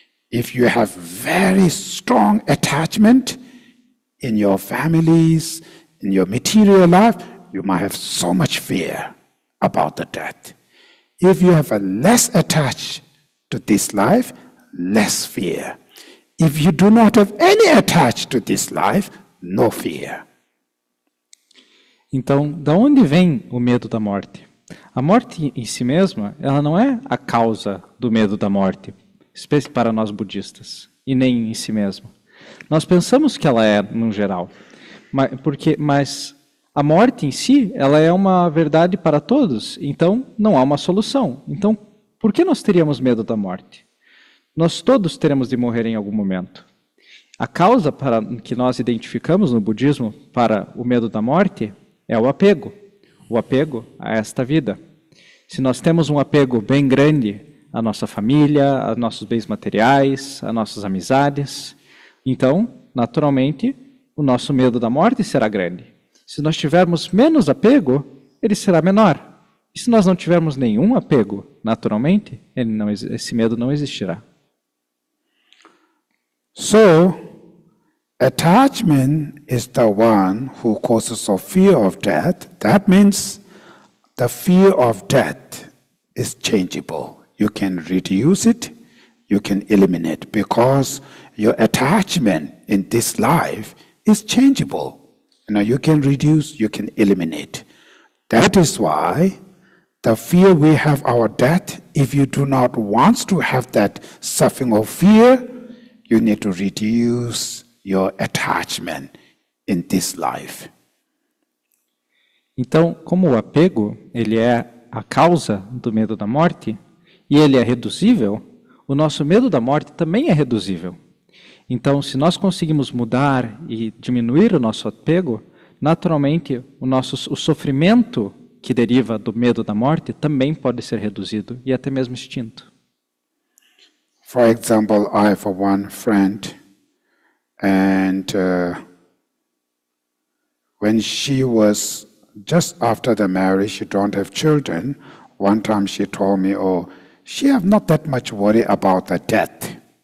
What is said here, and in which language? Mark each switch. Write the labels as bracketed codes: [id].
[en] If you have very strong attachment in your families, in your material life, you might have so much fear about the death. If you have a less attached to this life, less fear. If you do not have any attached to this life, no fear. [pt] Então, da onde vem o medo da morte? A morte em si mesma, ela não é a causa do medo da morte, especialmente para nós budistas, e nem em si mesma. Nós pensamos que ela é, no geral, mas a morte em si, ela é uma verdade para todos, então não há uma solução. Então, por que nós teríamos medo da morte? Nós todos teremos de morrer em algum momento. A causa para que nós identificamos no budismo para o medo da morte é o apego a esta vida. Se nós temos um apego bem grande à nossa família, aos nossos bens materiais, às nossas amizades, então, naturalmente, o nosso medo da morte será grande. Se nós tivermos menos apego, ele será menor. E se nós não tivermos nenhum apego, naturalmente, esse medo não existirá. [en] So, attachment is the one who causes a fear of death. That means the fear of death is changeable. You can reduce it, you can eliminate, because your attachment in this life is changeable. You know, you can reduce, you can eliminate. That is why the fear we have our death, if you do not want to have that suffering or fear, you need to reduce your attachment in this life. [pt] Então, como o apego, ele é a causa do medo da morte, e ele é reduzível, o nosso medo da morte também é reduzível. Então, se nós conseguimos mudar e diminuir o nosso apego, naturalmente, o sofrimento que deriva do medo da morte também pode ser reduzido e até mesmo extinto. [en] For example, I have one friend, and when she was just after the marriage, she don't have children. One time she told me, oh, she have not that much worry about the death.